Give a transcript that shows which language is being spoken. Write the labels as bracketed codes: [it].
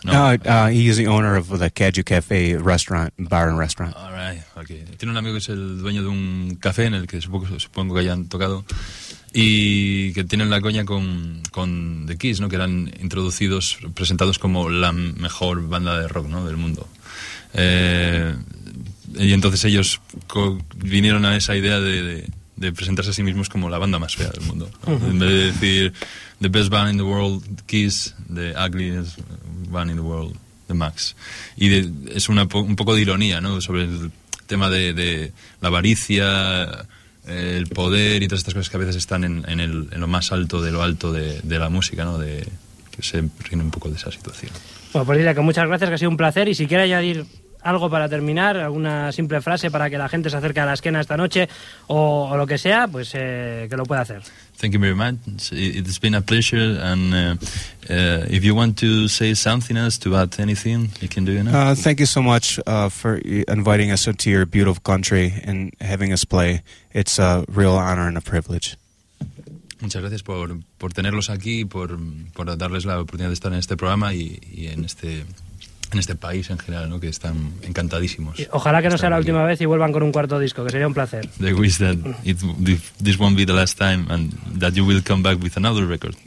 [en] No, he is the owner of the Caju Cafe restaurant, bar and restaurant. All right, okay. [es] Tiene un amigo que es el dueño de un café en el que supongo que hayan tocado. Y que tienen la coña con The Kiss, ¿no? Que eran introducidos, presentados como la mejor banda de rock, ¿no? Del mundo. Y entonces ellos vinieron a esa idea de presentarse a sí mismos como la banda más fea del mundo, ¿no? En vez de decir, [en] the best band in the world, Kiss, the ugliest one in the world, the max. [es] Y de, es una un poco de ironía, ¿no? Sobre el tema de la avaricia, el poder y todas estas cosas que a veces están en lo más alto de lo alto de la música, ¿no? De que se rinde un poco de esa situación. Bueno, pues dile que muchas gracias, que ha sido un placer. Y si quiere añadir algo para terminar, alguna simple frase para que la gente se acerque a la esquena esta noche o lo que sea, pues que lo pueda hacer. [en] Thank you very much. It's been a pleasure. And if you want to say something else to add anything, you can do it now. Thank you so much for inviting us to your beautiful country and having us play. It's a real honor and a privilege. [es] Muchas gracias por tenerlos aquí, por darles la oportunidad de estar en este programa y en este país en general, ¿no? Que están encantadísimos. Ojalá que no sea la última vez y vuelvan con un cuarto disco, que sería un placer. [en] They wish that this won't be the last time and that you will come back with another record.